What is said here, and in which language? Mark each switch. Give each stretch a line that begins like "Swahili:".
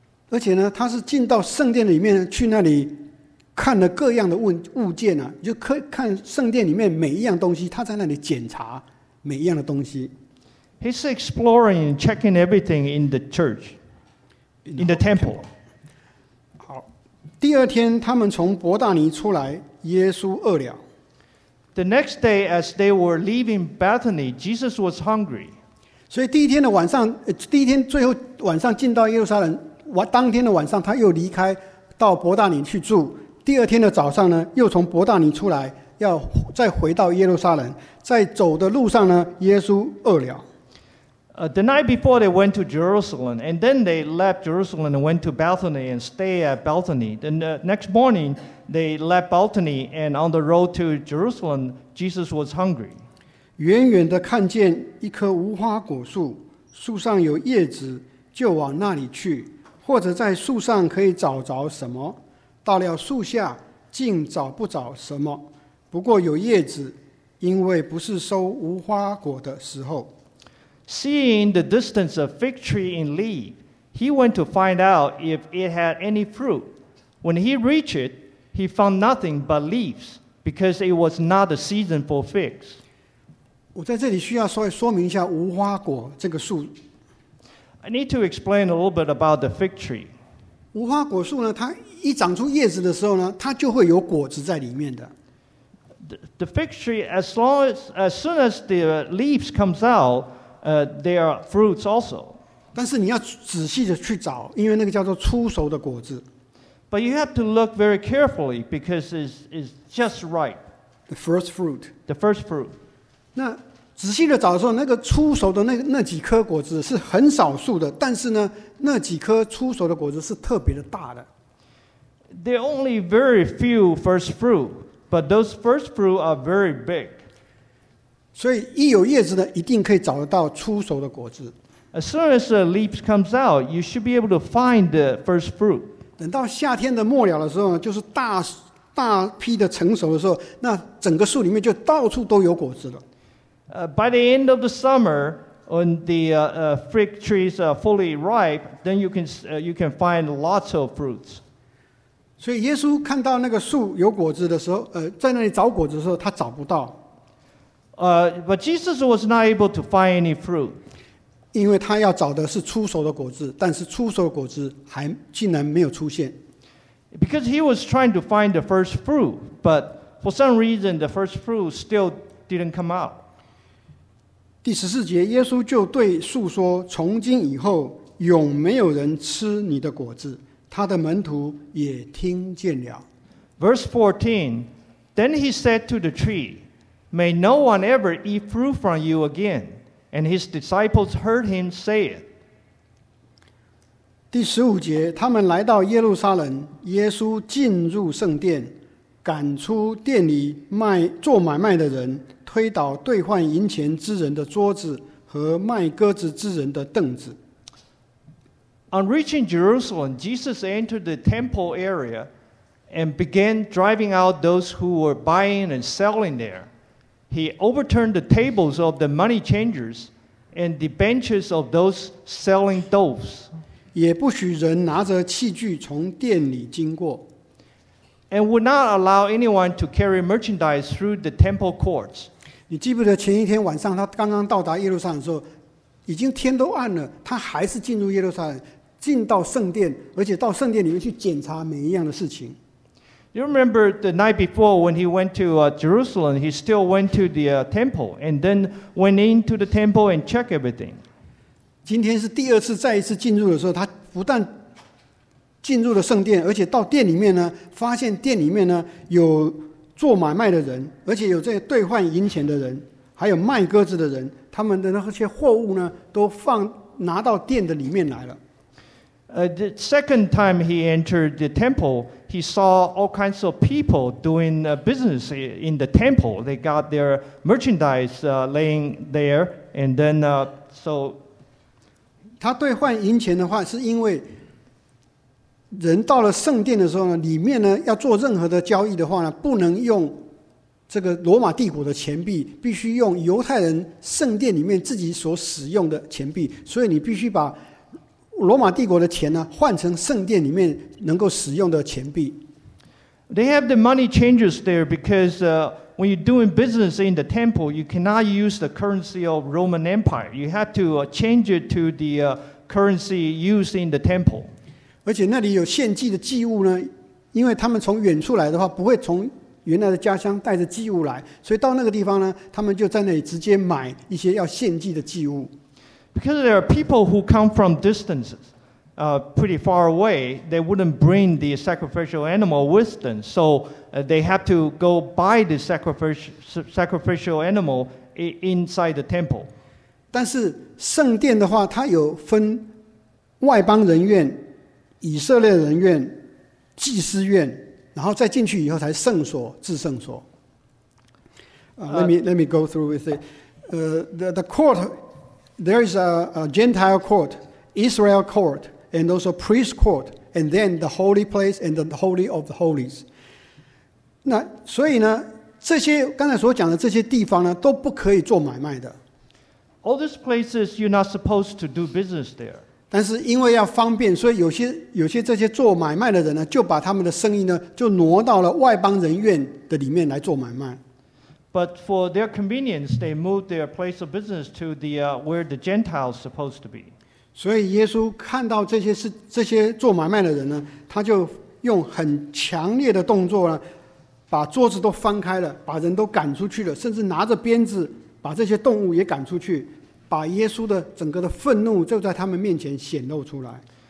Chinese: 而且呢他是进到圣殿里面去那里看了各样的物件就可以看圣殿里面每一样东西他在那里检查每一样的东西。
English: He's exploring and checking everything in the church. In the temple.
Chinese: 好，第二天他们从伯大尼出来，耶稣饿了。
English: The next day, as they were leaving Bethany, Jesus was hungry.
Chinese: 所以第一天的晚上，第一天最后晚上进到耶路撒冷，当天的晚上他又离开到伯大尼去住。第二天的早上呢，又从伯大尼出来，要再回到耶路撒冷。在走的路上呢，耶稣饿了。
English: The night before they went to Jerusalem, and then they left Jerusalem and went to Bethany and stayed at Bethany. Then the next morning, they left Bethany, and on the road to Jerusalem, Jesus was hungry.
Chinese: 远远地看见一棵无花果树，树上有叶子，就往那里去，或者在树上可以找着什么，到了树下，竟找不着什么。不过有叶子，因为不是收无花果的时候。
English: Seeing the distance of fig tree in leaf, he went to find out if it had any fruit. When he reached it, he found nothing but leaves, because it was not the season for figs.
Chinese: 我在这里需要稍微说明一下无花果这个树。
English: I need to explain a little bit about the fig tree.
Chinese: 无花果树呢，它一长出叶子的时候呢，它就会有果子在里面的。
English: The fig tree, as soon as the leaves comes out,there are fruits also.
Chinese: 但是你要仔细的去找，因为那个叫做初熟的果子。
English: But you have to look very carefully because it's just ripe. The first fruit. The first fruit.
Chinese: 那仔细的找的时候，那个初熟的那几颗果子是很少数的，但是呢，那几颗初熟的果子是特别的大的。
English: There are only very few first fruit, but those first fruit are very big.
Chinese: 所以一有叶子的一定可以找得到初熟的果子。
English: As soon as the leaves comes out, you should be able to find the first fruit.
Chinese: 等到夏天的末了的时候，就是大批的成熟的时候，那整个树里面就到处都有果子了。
English: By the end of the summer, when the fig trees are fully ripe, then you can find lots of fruits.
Chinese: 所以耶稣看到那个树有果子的时候，在那里找果子的时候，他找不到。
English: But Jesus was not able to find any fruit.
Chinese: 因为他要找的是初熟的果子，但是初熟的果子还竟然没有出现。
English: Because he was trying to find the first fruit, but for some reason the first fruit still didn't come out.
Chinese: 第十四节，耶稣就对树说：“从今以后，永没有人吃你的果子。” 他的门徒也听见了。
English: Verse 14, then he said to the tree. May no one ever eat fruit from you again. And his disciples heard him say it.
Chinese: 第十五节，他们来到耶路撒冷，耶稣进入圣殿，赶出店里卖做买卖的人，推倒兑换银钱之人的桌子和卖鸽子之人的凳子。
English: On reaching Jerusalem, Jesus entered the temple area and began driving out those who were buying and selling there. He overturned the tables of the money changers and the benches of those selling doves.
Chinese: 也不许人拿着器具从店里经过。
English: And would not allow anyone to carry merchandise through the temple courts.
Chinese: 你记不得前一天晚上他刚刚到达耶路撒冷的时候，已经天都暗了，他还是进入耶路撒冷，进到圣殿，而且到圣殿里面去检查每一样的事情。
English: You remember the night before when he went to Jerusalem, he still went to the temple and then went into the temple and checked everything.
Chinese: 今天是第二次再一次进入的时候，他不但进入了圣殿，而且到殿里面呢，发现殿里面呢有做买卖的人，而且有这些兑换银钱的人，还有卖鸽子的人，他们的那些货物呢都放拿到殿的里面来了。
English: The second time he entered the temple, he saw all kinds of people doing business in the temple. They got their merchandise laying there, and then so.
Chinese: 他兑换银钱的话，是因为人到了圣殿的时候呢，里面呢要做任何的交易的话呢，不能用这个罗马帝国的钱币，必须用犹太人圣殿里面自己所使用的钱币，所以你必须把罗马帝国的钱呢换成圣殿里面能够使用的钱币。
English: They have the money changers there because when you're doing business in the temple, you cannot use the currency of Roman Empire. You have to change it to the currency used in the temple.
Chinese: 而且那里有献祭的祭物呢，因为他们从远处来的话，不会从原来的家乡带着祭物来，所以到那个地方呢，他们就在那里直接买一些要献祭的祭物。
English: Because there are people who come from distances, pretty far away, they wouldn't bring the sacrificial animal with them, so they have to go buy the sacrificial animal inside the temple.
Chinese: 但是圣殿的话，它有分外邦人院、以色列人院、祭司院。然后再进去以后才圣所至圣所。
English: Let me go through with it. The court, there is a Gentile court, Israel court, and also priest court, and then the holy place and the holy of the holies.
Chinese: 那所以呢，这些刚才所讲的这些地方呢，都不可以做买卖的。
English: All these places you're not supposed to do business there.
Chinese: 但是因为要方便，所以有些这些做买卖的人呢，就把他们的生意呢，就挪到了外邦人院的里面来做买卖。
English: But for their convenience, they moved their place of business to the where the Gentiles supposed to be.
Chinese: 所以耶稣看到这些做买卖的人呢，他就用很强烈的动作呢，把桌子都翻开了，把人都赶出去了，甚至拿着鞭子把这些动物也赶出去。把耶稣的整个的愤怒就在他们面前显露出来。